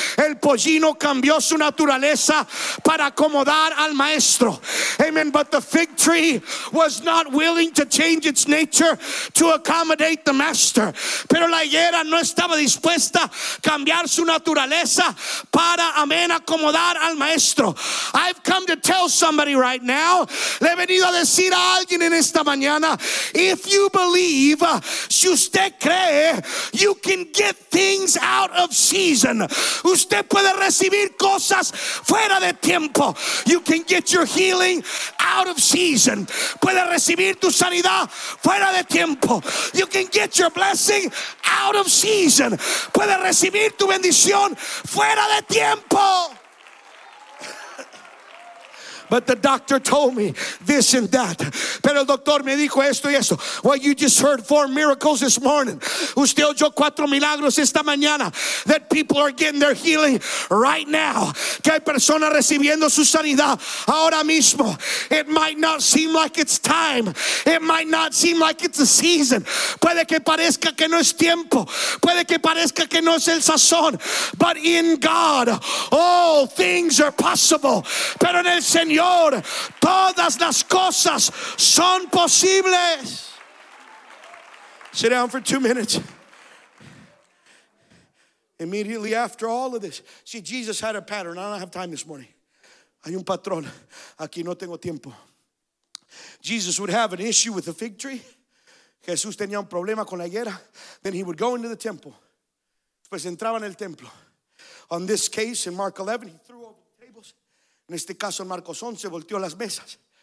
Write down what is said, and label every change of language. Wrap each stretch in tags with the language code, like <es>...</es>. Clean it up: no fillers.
<es>El pollino cambió su naturaleza para acomodar al maestro.</es> <en>Amen. But the fig tree was not willing to change its nature to accommodate the master.</en> <es>Pero la higuera no estaba dispuesta a cambiar su naturaleza para, amen, acomodar al maestro.</es> <en>I've come to tell somebody right now.</en> <es>Le he venido a decir a alguien en esta mañana.</es> <en>If you believe,</en> <es>si usted cree,</es> <en>you can get things out of season.</en> <es>Usted puede recibir cosas fuera de tiempo.</es> <en>You can get your healing out of season.</en> <es>Puede recibir tu sanidad fuera de tiempo.</es> <en>You can get your blessing out of season.</en> <es>Puede recibir tu bendición fuera de tiempo.</es> <en>But the doctor told me this and that.</en> <es>Pero el doctor me dijo esto y esto.</es> <en>Well, you just heard 4 miracles this morning.</en> <es>Usted oyó 4 milagros esta mañana.</es> <en>That people are getting their healing right now.</en> <es>Que hay personas recibiendo su sanidad ahora mismo.</es> <en>It might not seem like it's time. It might not seem like it's a season.</en> <es>Puede que parezca que no es tiempo. Puede que parezca que no es el sazón.</es> <en>But in God, all things are possible.</en> <es>Pero en el Señor, Señor, todas las cosas son posibles.</es> <en>Sit down for 2 minutes. Immediately after all of this, see, Jesus had a pattern. I don't have time this morning.</en> <es>Hay un patrón. Aquí no tengo tiempo.</es> <en>Jesus would have an issue with the fig tree.</en> <es>Jesús tenía un problema con la higuera.</es> <en>Then he would go into the temple.</en> <es>Después entraba en el templo.</es> <en>On this case in Mark 11, he threw over.</en> <es>En este caso, en Marcos 11, volteó las mesas.</es>